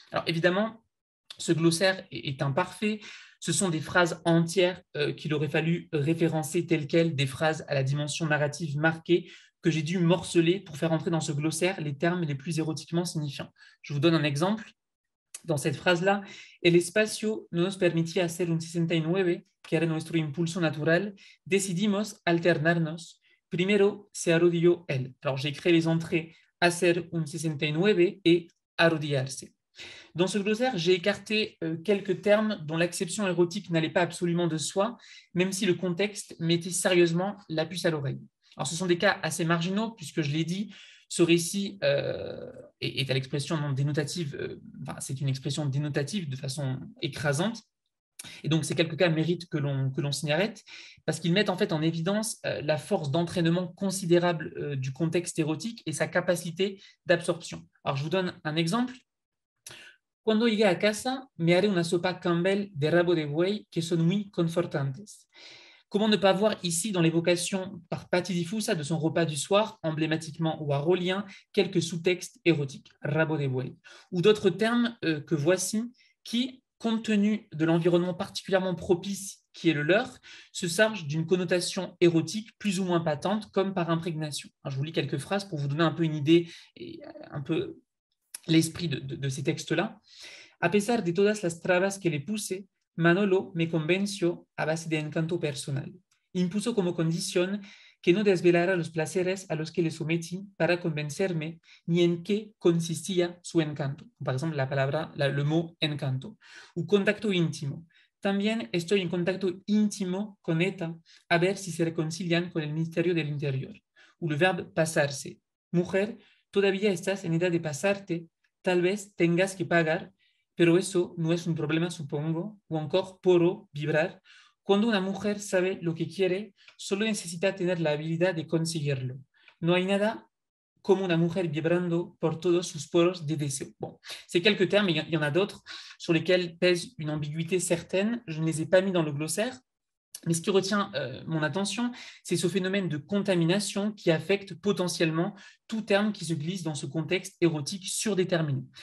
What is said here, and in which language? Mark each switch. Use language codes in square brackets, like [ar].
[fr] Alors évidemment, ce glossaire est imparfait. Ce sont des phrases entières qu'il aurait fallu référencer telles quelles, des phrases à la dimension narrative marquée que j'ai dû morceler pour faire entrer dans ce glossaire les termes les plus érotiquement signifiants. Je vous donne un exemple. Dans cette phrase-là, [es] el espacio no nos permitía hacer un 69, que era nuestro impulso natural, decidimos alternarnos. Primero se arrodilló él. [fr] Alors, j'ai créé les entrées [es] hacer un 69 [fr] et arrodillarse. Dans ce glossaire, j'ai écarté quelques termes dont l'acception érotique n'allait pas absolument de soi, même si le contexte mettait sérieusement la puce à l'oreille. Alors, ce sont des cas assez marginaux, puisque je l'ai dit, ce récit est à l'expression non dénotative, c'est une expression dénotative de façon écrasante. Et donc, ces quelques cas méritent que l'on s'y arrête, parce qu'ils mettent en fait en évidence la force d'entraînement considérable du contexte érotique et sa capacité d'absorption. Alors, je vous donne un exemple. [es] Cuando llegué a casa, me haré una sopa Campbell de rabo de buey que son muy confortantes. [fr] Comment ne pas voir ici, dans l'évocation par Patti Di Fusa de son repas du soir, emblématiquement warholien, quelques sous-textes érotiques, [es] rabo de buey, [fr] ou d'autres termes que voici, qui, compte tenu de l'environnement particulièrement propice qui est le leur, se chargent d'une connotation érotique plus ou moins patente, comme par imprégnation. Alors, je vous lis quelques phrases pour vous donner un peu une idée et un peu l'esprit de ces textes-là. [es] A pesar de todas las trabas que le puse, Manolo me convenció a base de encanto personal. Impuso como condición que no desvelara los placeres a los que le sometí para convencerme ni en qué consistía su encanto. [fr] Par exemple, le mot encanto. Ou contacto íntimo. [es] También estoy en contacto íntimo con ETA a ver si se reconcilian con el Ministerio del Interior. [fr] Ou le verbe [es] pasarse. Mujer, todavía estás en edad de pasarte, tal vez tengas que pagar. Pero eso no es un problema, supongo, o encore poro, vibrar. Cuando una mujer sabe lo que quiere, solo necesita tener la habilidad de conseguirlo. No hay nada como una mujer vibrando por todos sus poros de deseo. [fr] Bon, c'est quelques termes, il y en a d'autres, sur lesquels pèse une ambiguïté certaine. Je ne les ai pas mis dans le glossaire, Mais ce qui retient mon attention, c'est ce phénomène de contamination qui affecte potentiellement tout terme qui se glisse dans ce contexte érotique surdéterminé.